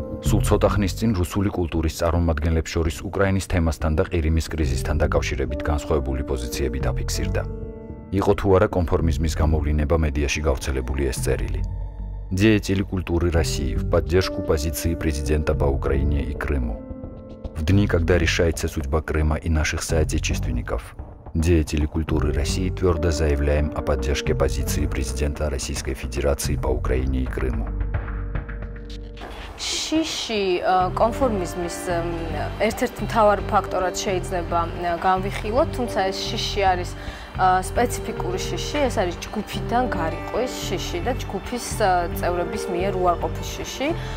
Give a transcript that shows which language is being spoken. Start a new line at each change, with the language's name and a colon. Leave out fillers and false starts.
Georgian: Სულ ცოტა ხნის წინ რუსული კულტურის წარმომადგენლებს შორის უკრაინის თემასთან და ყირიმის კრიზისთან დაკავშირებით განსხვავებული პოზიციები დაფიქსირდა. Იყო თუ არა კონფორმიზმის გამოვლინება მედიაში გავრცელებული ეს წერილი.
Russian: Деятели культуры России в поддержку позиции президента по Украине и Крыму. В дни, когда решается судьба Крыма и наших соотечественников, деятели культуры России твердо заявляем о поддержке позиции президента Российской Федерации по Украине и Крыму.
Georgian: Шиши конформизмის ერთ-ერთი მთავარი ფაქტორად შეიძლება განვიხილოთ, თუმცა ეს შიში არის სპეციფიკური შიში, ეს არის ჯგუფიდან გარიყვის შიში და ჯგუფის წევრების მიერ უარყოფის შიში.